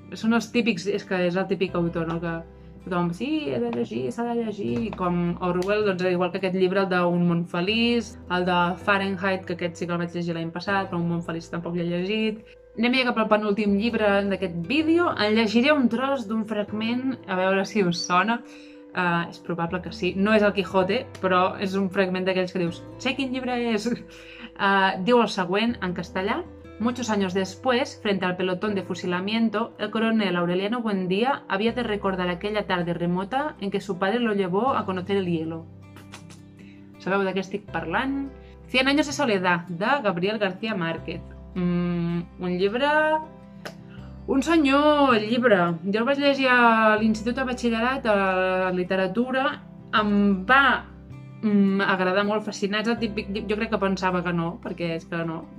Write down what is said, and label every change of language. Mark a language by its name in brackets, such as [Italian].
[Catalan] Són els típics, és que és el típic autor, no? Que tothom, sí, he de llegir, s'ha de llegir, i com Orwell, doncs igual que aquest llibre, el d'Un món feliç, el de Fahrenheit, que aquest sí que el vaig llegir l'any passat, però Un món feliç tampoc l'he llegit. Anem ja cap al penúltim llibre d'aquest vídeo, en llegiré un tros d'un fragment, a veure si us sona. És probable que sí. No és el Quijote, però és un fragment d'aquells que dius, sé quin llibre és. Diu el següent, en castellà. [Spanish] Muchos años después, frente al pelotón de fusilamiento, el coronel Aureliano Buendía había de recordar aquella tarde remota en que su padre lo llevó a conocer el hielo. [Catalan] ¿Sabeu de què estic parlant? 100 años de soledad, de Gabriel García Márquez. Un llibre... Un senyor, el llibre. Jo el vaig llegir a l'Institut de Batxillerat, a Literatura. Em va agradar molt, fascinats. El típic, jo crec que pensava que no, perquè és que no.